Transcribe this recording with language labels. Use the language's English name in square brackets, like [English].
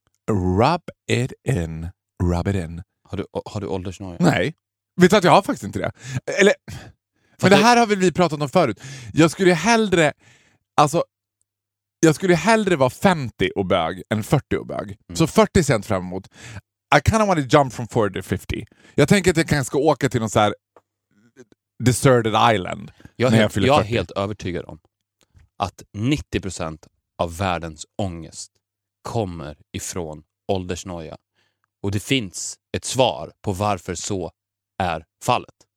[English] Rub it in. Rub it in. [Swedish] Har du åldersnoja? Nej. Vet du att jag har faktiskt inte det? Eller... Fast men det här har väl vi pratat om förut. Jag skulle hellre... Alltså... Jag skulle hellre vara 50 och bög än 40 och bög. Mm. Så 40 cent fram emot. [English] I kind of want to jump from 40 to 50. [Swedish] Jag tänker att jag kanske ska åka till någon så här [English] deserted island. [Swedish] Jag är helt övertygad om att 90% av världens ångest kommer ifrån åldersnoja. Och det finns ett svar på varför så är fallet.